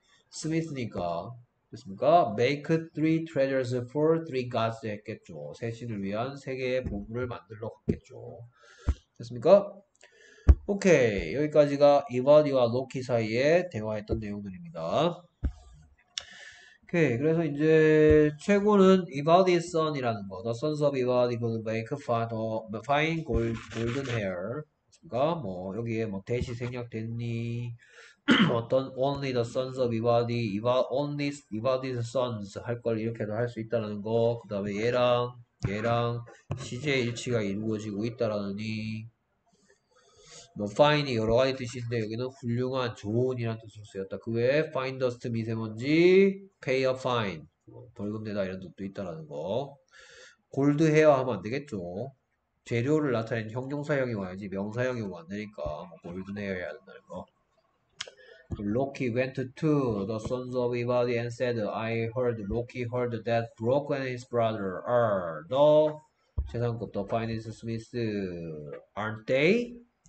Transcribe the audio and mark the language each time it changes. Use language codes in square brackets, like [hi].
[ko] 스미스니까. 됐습니까? [en] Make three treasures for three gods [ko] 했겠죠. 세 신을 위한 세 개의 보물을 만들러 갔겠죠. 됐습니까? 오케이. 여기까지가 이발이와 로키 사이에 대화했던 내용들입니다. 오케이. 그래서 이제 최고는 이발이의 son이라는 거. [en] The sons of 이발이 could make fine golden hair. [ko] 뭐 여기에 뭐 대시 생략됐니 어떤 [en] only the sons of Evadi, only Evadi's sons [ko] 할걸 이렇게도 할수 있다라는 거, 그 다음에 얘랑 시제 일치가 이루어지고 있다라느니 뭐 fine이 여러 가지 뜻인데 여기는 훌륭한 좋은이라는 뜻으로 쓰였다. 그 외에 fine dust 미세먼지, [en] pay a fine [ko] 벌금 내다 이런 뜻도 있다라는 거, 골드 헤어 하면 안 되겠죠. 재료를 나타낸 형용사형이 와야지 명사형이 오면 안 되니까 골든헤어 해야 된다는 거. [en] Loki went to the sons of Ivaldi and said, I heard Loki heard that Brok and his brother are the [ko] 재산급 [en] the finest smiths, aren't they?